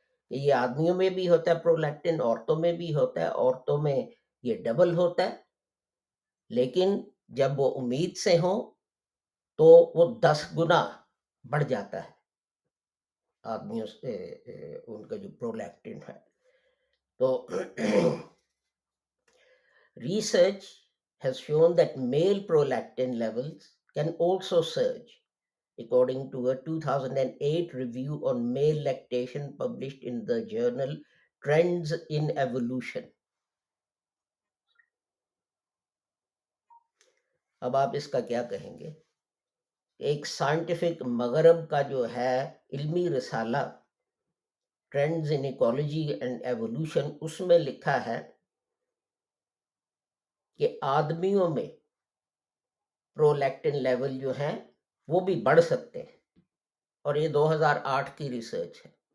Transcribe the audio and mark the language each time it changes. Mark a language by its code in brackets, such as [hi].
[ur] یہ آدمیوں میں بھی ہوتا ہے پرولیکٹن, عورتوں میں بھی ہوتا ہے, عورتوں میں یہ ڈبل ہوتا ہے, لیکن جب وہ امید سے ہوں تو وہ 10 گنا بڑھ جاتا ہے آدمیوں سے ان کا جو پرولیکٹن ہے. [en] تو research has shown that male prolactin levels can also search according to a 2008 review on male lactation published in the journal trends in evolution. [ur] اب آپ اس کا کیا کہیں گے؟ ایک سائنٹیفک مغرب کا جو ہے علمی رسالہ trends in ecology and evolution, اس میں لکھا ہے کہ آدمیوں میں پرولیکٹن لیول جو ہیں وہ بھی بڑھ سکتے ہیں, اور یہ 2008 کی ریسرچ ہے.